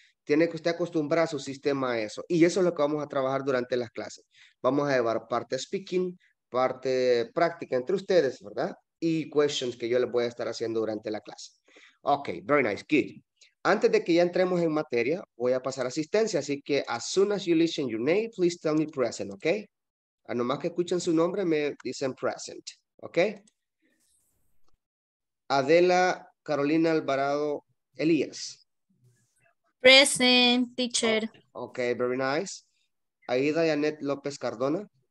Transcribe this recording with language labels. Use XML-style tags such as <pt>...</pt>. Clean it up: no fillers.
<es>Tiene que usted acostumbrar a su sistema a eso. Y eso es lo que vamos a trabajar durante las clases. Vamos a llevar parte speaking, parte práctica entre ustedes, ¿verdad? Y questions que yo les voy a estar haciendo durante la clase.</es> <en>Ok, very nice, good.</en> <es>Antes de que ya entremos en materia, voy a pasar asistencia. Así que,</es> <en>as soon as you listen your name, please tell me present, ¿ok?</en> <es>A nomás que escuchen su nombre, me dicen present, ¿ok? Adela Carolina Alvarado Elías.</es> <en>Present, teacher. Ok, very nice. Aida Janet López Cardona.</en>